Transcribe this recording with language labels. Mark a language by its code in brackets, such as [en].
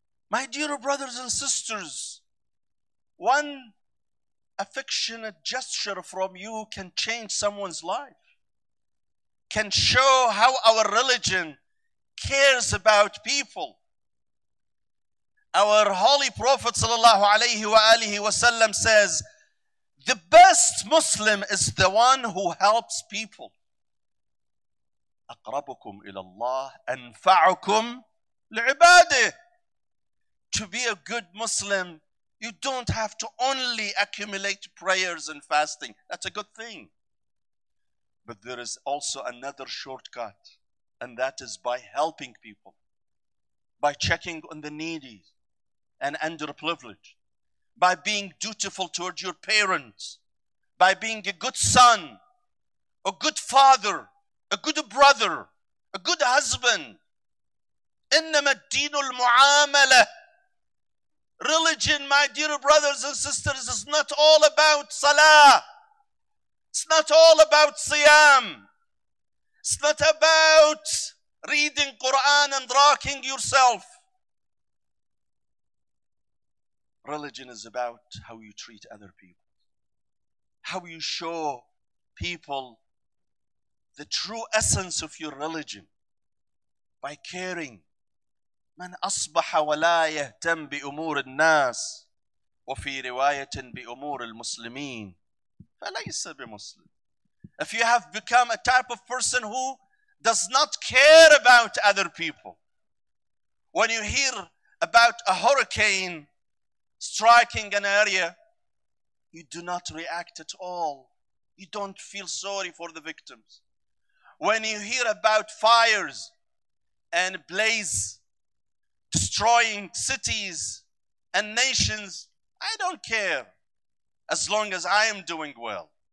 [en] My dear brothers and sisters, one affectionate gesture from you can change someone's life, can show how our religion cares about people. Our holy Prophet sallallahu alayhi wa alihi wa sallam says, the best Muslim is the one who helps people. [ar] أقربكم إلى الله أنفعكم لعباده. [en] To be a good Muslim, you don't have to only accumulate prayers and fasting. That's a good thing. But there is also another shortcut, and that is by helping people, by checking on the needy and underprivileged, by being dutiful towards your parents, by being a good son, a good father, a good brother, a good husband. [ar] إِنَّمَا الدِّينُ الْمُعَامَلَةِ. [en] Religion, my dear brothers and sisters, is not all about salah. It's not all about siyam. It's not about reading Quran and rocking yourself. Religion is about how you treat other people, how you show people the true essence of your religion, by caring. [ar] من أصبح ولا يهتم بأمور الناس وفي رواية بأمور المسلمين فليس بمسلم. [en] If you have become a type of person who does not care about other people, When you hear about a hurricane striking an area, you do not react at all. You don't feel sorry for the victims. When you hear about fires and blaze destroying cities and nations, I don't care as long as I am doing well.